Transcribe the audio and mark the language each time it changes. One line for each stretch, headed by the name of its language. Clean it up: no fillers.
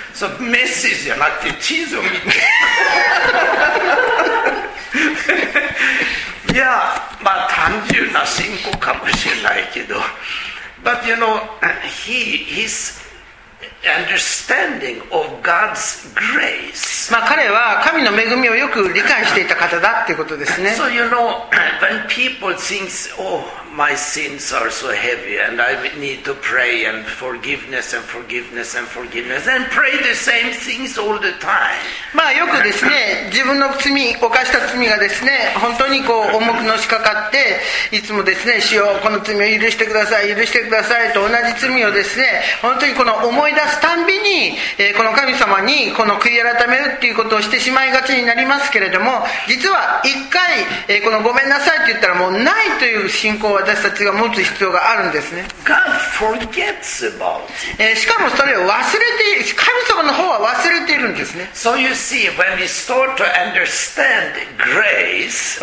Japanese: そのメッセージじゃなくて地図を見ていやまあ単純な信仰かもしれないけど、
English: But you know he'sUnderstanding of God's grace.
Japanese: まあ彼は神の恵みをよく理解していた方だということですね。
English: So you know, when people think, oh, my sins are so heavy and I need to pray and forgiveness and forgiveness and forgiveness and pray the same things all the time.
Japanese: まあよくですね、自分の罪、犯した罪がですね、本当にこう重くのしかかって、いつもですね、主よこの罪を許してください、許してくださいと、同じ罪をですね、本当にこの思い出すたんびに、この神様にこの悔い改めるっていうことをしてしまいがちになりますけれども、実は一回、このごめんなさいって言ったらもうないという信仰を私たちが持つ必要があるんですね。
English: God forgets about it.
Japanese: しかもそれを忘れて、神様の方は忘れているんですね。
English: So you see, when we start to understand grace,